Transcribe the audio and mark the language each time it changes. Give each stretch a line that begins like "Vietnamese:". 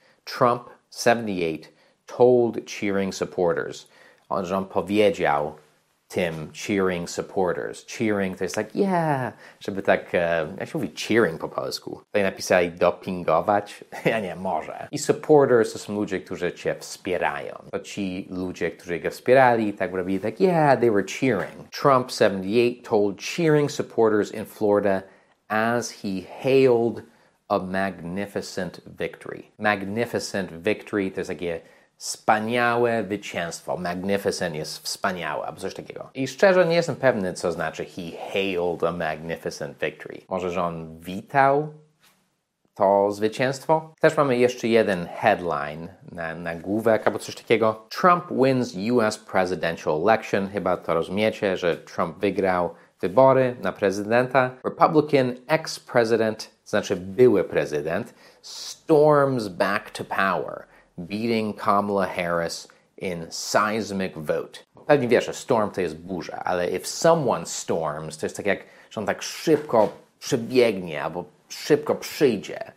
English: Trump, 78, told cheering supporters,
Polish: że on powiedział tym
English: cheering supporters.
Polish: Cheering to jest tak, yeah, żeby tak, jak się mówi cheering po polsku? Tutaj napisali dopingować? Ja nie, może. I supporters to są ludzie, którzy cię wspierają. To ci ludzie, którzy go wspierali, tak robili tak, yeah,
English: they were cheering. Trump, 78, told cheering supporters in Florida as he hailed a magnificent victory.
Polish: Magnificent victory, to jest takie wspaniałe zwycięstwo. Magnificent jest wspaniałe, albo coś takiego. I szczerze nie jestem pewny, co znaczy
English: he hailed a magnificent victory.
Polish: Może, że on witał to zwycięstwo? Też mamy jeszcze jeden headline na główek, albo coś takiego.
English: Trump wins US presidential election.
Polish: Chyba to rozumiecie, że Trump wygrał wybory na prezydenta.
English: Republican ex-president,
Polish: znaczy były prezydent,
English: storms back to power, beating Kamala Harris in seismic vote.
Polish: Pewnie wiesz, że storm to jest burza, ale
English: if someone storms,
Polish: to jest tak jak, że on tak szybko przebiegnie, albo szybko przyjdzie.